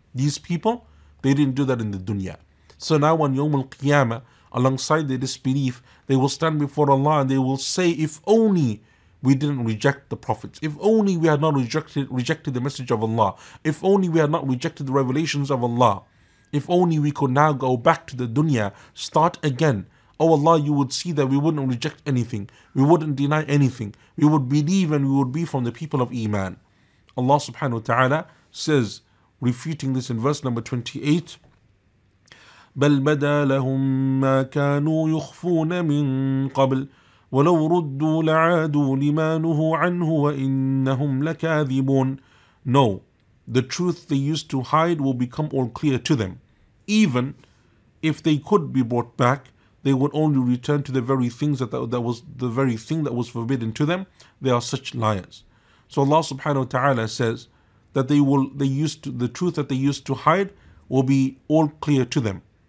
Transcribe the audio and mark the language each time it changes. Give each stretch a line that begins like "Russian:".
English: These people, they didn't do that in the dunya. So now on Yawm al-Qiyamah, alongside their disbelief, they will stand before Allah and they will say, if only we didn't reject the prophets, if only we had not rejected the message of Allah, if only we had not rejected the revelations of Allah, if only we could now go back to the dunya, start again. Oh Allah, you would see that we wouldn't reject anything. We wouldn't deny anything. We would believe and we would be from the people of Iman. Allah subhanahu wa ta'ala says, refuting this in verse number 28,
Arabic: بَلْ بَدَى لَهُمْ مَا كَانُوا يُخْفُونَ مِنْ قَبْلِ وَلَوْ رُدُّوا لَعَادُوا لِمَا نُهُوا عَنْهُ وَإِنَّهُمْ لَكَاذِبُونَ.
English: No, the truth they used to hide will become all clear to them. Even if they could be brought back, they would only return to the very things that was the very thing that was forbidden to them. They are such liars. So Allah subhanahu wa ta'ala says that the truth that they used to hide will be all clear to them.